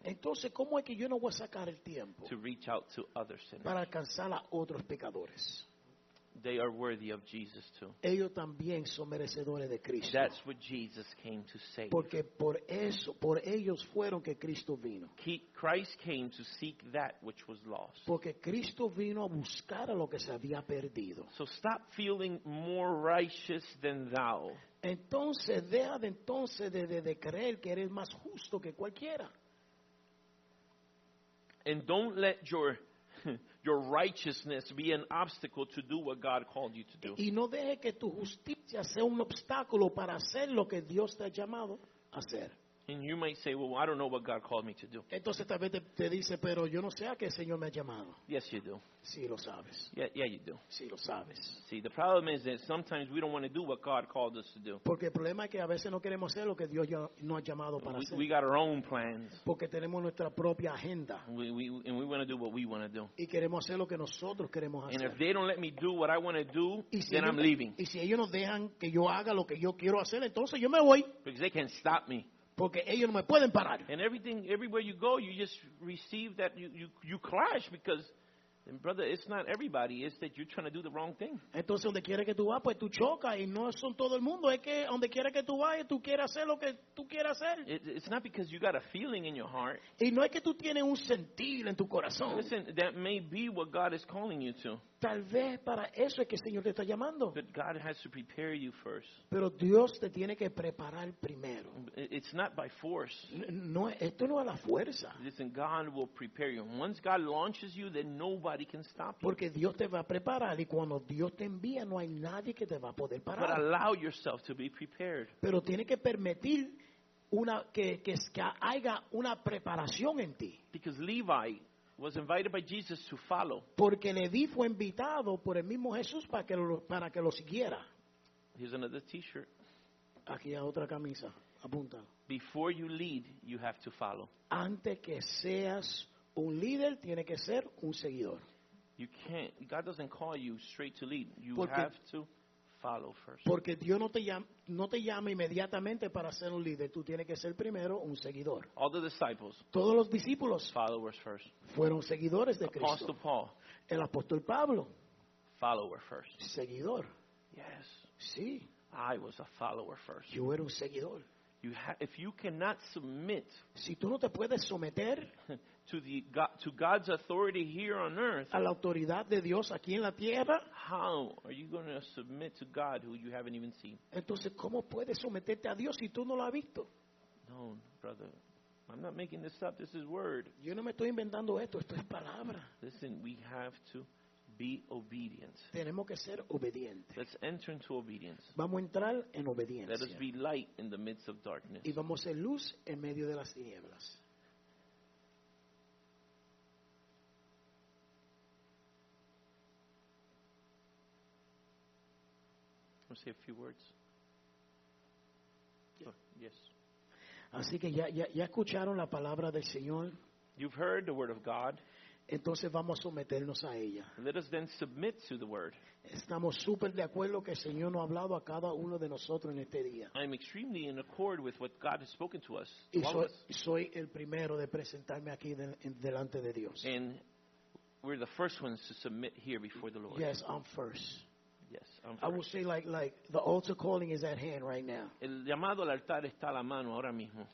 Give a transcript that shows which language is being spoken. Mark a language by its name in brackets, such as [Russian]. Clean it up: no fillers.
[Spanish] Entonces, ¿cómo es que yo no voy a sacar el tiempo? [English] To reach out to other sinners. [Spanish] Para alcanzar a otros pecadores. [English] They are worthy of Jesus too. [Spanish] Ellos también son merecedores de Cristo. [English] That's what Jesus came to save. [Spanish] Porque por eso, por ellos fueron que Cristo vino. [English] Christ came to seek that which was lost. [Spanish] Porque Cristo vino a buscar a lo que se había perdido. [English] So stop feeling more righteous than thou. [Spanish] Entonces deja de entonces de creer que eres más justo que cualquiera. [English] And don't let your righteousness be an obstacle to do what God called you to do. [Spanish] Y no deje que tu justicia sea un obstáculo para hacer lo que Dios te ha llamado a hacer. [English] And you might say, well, I don't know what God called me to do. [Spanish] Entonces tal vez te dice, pero yo no sé a qué Señor me ha llamado. [English] Yes, you do. [Spanish] Sí, lo sabes. [English] Yeah, you do. [Spanish] Sí, lo sabes. [English] See, the problem is that sometimes we don't want to do what God called us to do. [Spanish] Porque el problema es que a veces no queremos hacer lo que Dios ya no ha llamado para hacer. [English] We got our own plans. [Spanish] Porque tenemos nuestra propia agenda. [English] And we want to do what we want to do. [Spanish] Y queremos hacer lo que nosotros queremos hacer. [English] And if they don't let me do what I want to do, then I'm leaving. [Spanish] Y si ellos no dejan que yo haga lo que yo quiero hacer, entonces yo me voy. [English] Because they can't stop me. [Spanish] Porque ellos no me pueden parar. [English] And everywhere you go, you just receive that you clash because And brother, it's not everybody. It's that you're trying to do the wrong thing. [Spanish] Entonces, donde quiera que tú vas, pues tú chocas. Y no son todo el mundo. Es que donde quiera que tú vayas, tú quieres hacer lo que tú quieras hacer. [English] It's not because you got a feeling in your heart. [Spanish] Y no es que tú tienes un sentir en tu corazón. [English] Listen, that may be what God is calling you to. [Spanish] Tal vez para eso es que el Señor te está llamando. [English] But God has to prepare you first. [Spanish] Pero Dios te tiene que preparar primero. [English] It's not by force. [Spanish] No, esto no es a la fuerza. [English] Listen, God will prepare you. Once God launches you, then nobody can stop you. [Spanish] Porque Dios te va a preparar y cuando Dios te envía, no hay nadie que te va a poder parar. [English] But allow yourself to be prepared. [Spanish] Pero tiene que permitir que haya una preparación en ti. [English] Because Levi was invited by Jesus to follow. [Spanish] Porque Levi fue invitado por el mismo Jesús para que lo siguiera. [English] Here's another t-shirt. [Spanish] Aquí hay otra camisa. Apúntalo. [English] Before you lead, you have to follow. [Spanish] Antes que seas un líder, tiene que ser un seguidor. [English] You can't. God doesn't call you straight to lead. You have to follow first. [Spanish] Porque Dios no te llama inmediatamente para ser un líder. Tú tienes que ser primero un seguidor. [English] All the disciples. [Spanish] Todos los discípulos. [English] Followers first. [Spanish] Fueron seguidores de Cristo. [English] Apostle Paul. [Spanish] El apóstol Pablo. [English] Follower first. [Spanish] Seguidor. [English] Yes. [Spanish] Sí. [English] I was a follower first. [Spanish] Yo era un seguidor. [English] If you cannot submit, [Spanish] si tú no te puedes someter [English] to God's authority here on earth, [Spanish] a la autoridad de Dios aquí en la tierra, [English] how are you going to submit to God who you haven't even seen? [Spanish] Entonces, ¿cómo puedes someterte a Dios si tú no lo has visto? [English] No, brother, I'm not making this up. This is word. [Spanish] Yo no me estoy inventando esto. Esto es palabra. [English] Listen, we have to be obedient. [Spanish] Tenemos que ser obedientes. [English] Let's enter into obedience. [Spanish] Vamos a entrar en obediencia. [English] Let us be light in the midst of darkness. [Spanish] Y vamos a ser luz en medio de las tinieblas. [English] Let's say a few words. Yeah. Oh, yes. [Spanish] Así que ya escucharon la palabra del Señor. [English] You've heard the word of God. [Spanish] Entonces vamos a someternos a ella. [English] Let us then submit to the word. [Spanish] Estamos súper de acuerdo que el Señor nos ha hablado a cada uno de nosotros en este día. [English] I'm extremely in accord with what God has spoken to us. [Spanish] Y soy el primero de presentarme aquí delante de Dios. [English] And we're the first ones to submit here before the Lord. Yes, I'm first. Yes, I'm first. I will say like the altar calling is at hand right now. [Spanish] El llamado al altar está a la mano ahora mismo.